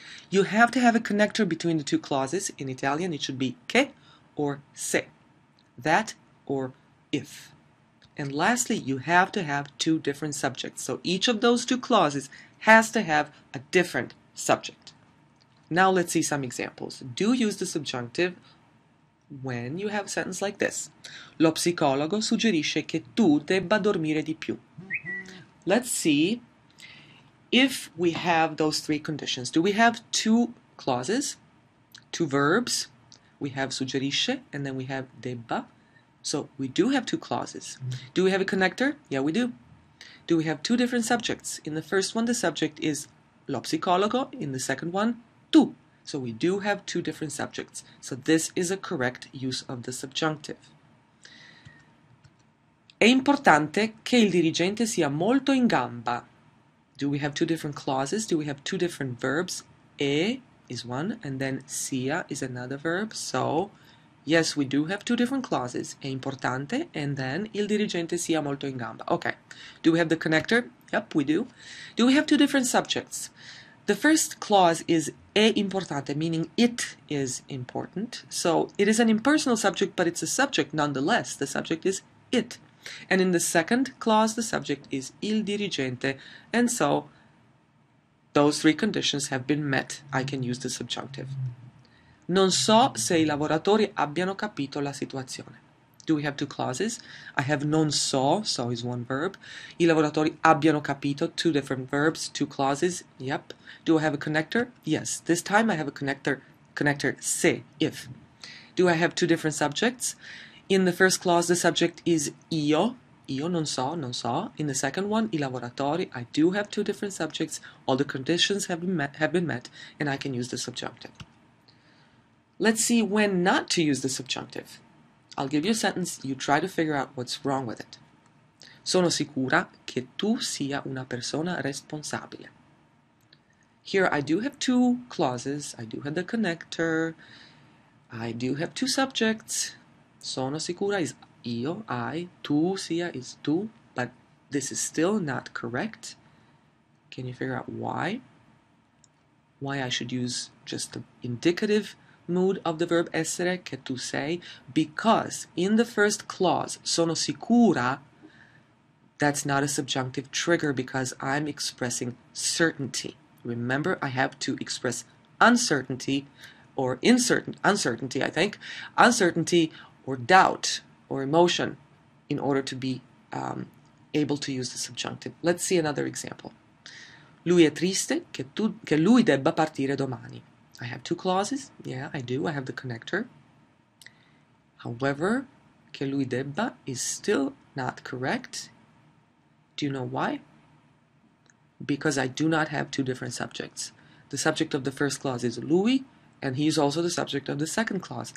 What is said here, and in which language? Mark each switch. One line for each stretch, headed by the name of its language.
English: You have to have a connector between the 2 clauses. In Italian, it should be che or se, that or if. And lastly, you have to have 2 different subjects. So each of those 2 clauses has to have a different subject. Now let's see some examples. Do use the subjunctive when you have a sentence like this.
Italian: Lo psicologo suggerisce che tu debba dormire di più.
English: Let's see. If we have those 3 conditions, do we have 2 clauses, 2 verbs? We have suggerisce, and then we have debba. So we do have 2 clauses. Do we have a connector? Yeah, we do. Do we have 2 different subjects? In the first one, the subject is lo psicologo. In the second one, tu. So we do have 2 different subjects. So this is a correct use of the subjunctive.
Italian: È importante che il dirigente sia molto in gamba.
English: Do we have 2 different clauses? Do we have 2 different verbs? E is one, and then sia is another verb. So, yes, we do have 2 different clauses.
Italian: È importante,
English: and then
Italian: il dirigente sia molto in gamba.
English: Okay. Do we have the connector? Yep, we do. Do we have two different subjects? The first clause is
Italian: è importante,
English: meaning it is important. So it is an impersonal subject, but it's a subject nonetheless. The subject is it. And in the second clause, the subject is il dirigente. And so those three conditions have been met. I can use the subjunctive.
Italian: Non so se i lavoratori abbiano capito la situazione.
English: Do we have two clauses? I have
Italian: non so,
English: so is one verb.
Italian: I lavoratori abbiano capito,
English: two different verbs, two clauses. Yep. Do I have a connector? Yes. This time I have a connector se, if. Do I have two different subjects? In the first clause, the subject is
Italian: io non so, non so.
English: In the second one, i lavoratori, I do have two different subjects. All the conditions have been met, and I can use the subjunctive. Let's see when not to use the subjunctive. I'll give you a sentence, you try to figure out what's wrong with it.
Italian: Sono sicura che tu sia una persona responsabile.
English: Here I do have two clauses, I do have the connector, I do have two subjects.
Italian: Sono sicura
English: is io, I,
Italian: tu sia
English: is tu, but this is still not correct. Can you figure out why? Why I should use just the indicative mood of the verb essere,
Italian: che tu sei,
English: because in the first clause,
Italian: sono sicura,
English: that's not a subjunctive trigger because I'm expressing certainty. Remember, I have to express uncertainty or uncertainty, I think, uncertainty or doubt or emotion in order to be able to use the subjunctive. Let's see another example.
Italian: Lui è triste che lui debba partire domani.
English: I have two clauses. Yeah, I do. I have the connector. However,
Italian: che lui debba
English: is still not correct. Do you know why? Because I do not have two different subjects. The subject of the first clause is lui, and he is also the subject of the second clause.